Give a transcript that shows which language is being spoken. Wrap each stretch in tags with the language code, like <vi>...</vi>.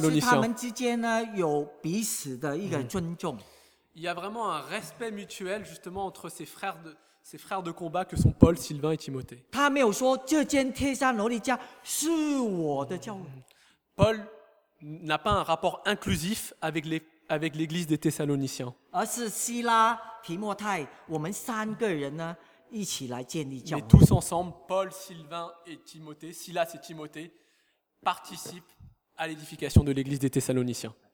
<zh>表示他们之间呢有彼此的一个尊重。</zh> <fr>Il y a vraiment un respect mutuel justement entre ces frères de combat que sont Paul, Sylvain et Timothée.</fr> <zh>他没有说这间帖撒罗尼迦是我的教会.</zh> <fr>Paul n'a pas un rapport inclusif avec les avec l'église des Thessaloniciens.</fr> <zh>而是希拉、提摩太，我们三个人呢一起来建立教会.</zh> <fr>Mais tous ensemble, Paul, Sylvain et Timothée, Silas et Timothée participent à l'édification de l'église des Thessaloniciens.</fr>